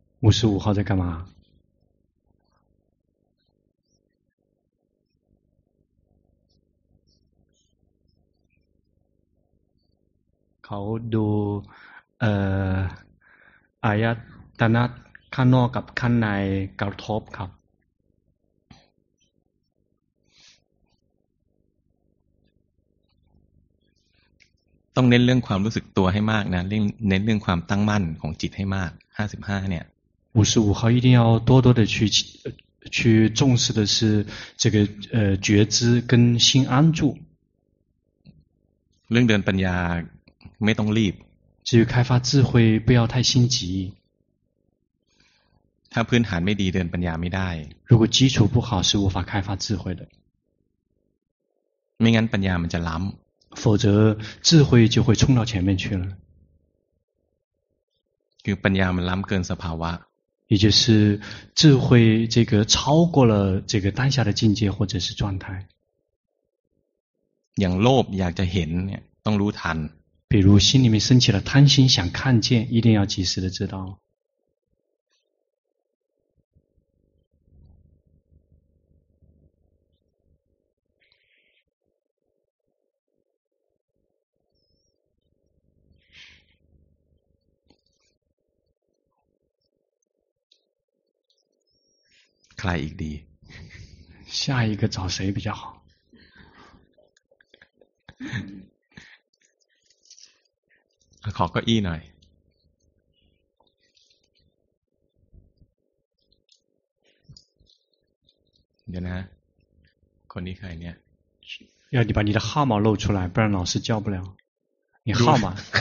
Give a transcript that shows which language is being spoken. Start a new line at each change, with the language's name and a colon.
Chinese: 55号在干嘛
Thai: เขาดูอายตนะข้างนอกกับข้างในกระทบครับ ต้องเน้นเรื่องความรู้สึกตัวให้มากนะเน้นเรื่องความตั้งมั่นของจิตให้มาก55เนี่ย
Chinese: 55เขา一定要多多的去重视的是这个觉知跟心安住
Thai: เรื่องเดินปัญญาไม่ต้องรีบ
Chinese: 至于开发智慧不要太心急
Thai: ถ้าพื้นฐานไม่ดีเดินปัญญาไม่ได้
Chinese: 如果基础不好是无法开发智慧的
Thai: ไม่งั้นปัญญามันจะล้ำ
Chinese: 否则智慧就会冲到前面去了
Thai: คือปัญญามันล้ำเกินสภาวะ
Chinese: 也就是智慧这个超过了这个当下的境界或者是状态
Thai: อย่างโลภอยากจะเห็นเนี่ยต้องรู้ทัน
Chinese: 比如心里面升起了贪心想看见一定要及时的知道
Thai: ใครอีกดี
Chinese: 下一个找谁比较好
Thai: ขอเก้าอี้หน่อยเดี๋ยวนะคนนี้ใครเนี่ย
Chinese: 要你把你的号码露出来不然老师叫不了你号码